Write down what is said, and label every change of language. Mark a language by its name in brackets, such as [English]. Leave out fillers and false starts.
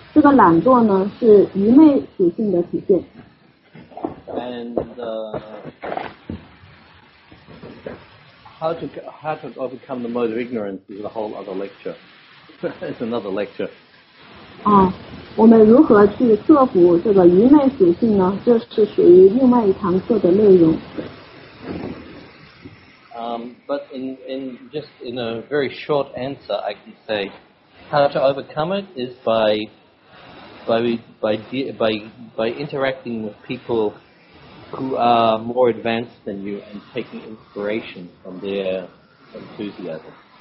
[Chinese] 这个懒惰呢是愚昧属性的体现。 [English] And how to overcome the mode of ignorance is a whole other lecture. It's another lecture. [Chinese] 我们如何去克服这个愚昧属性呢？这是属于另外一堂课的内容。 [English] But in a very short answer, I can say how to overcome it is by interacting with people who are more advanced than you and taking inspiration from their enthusiasm.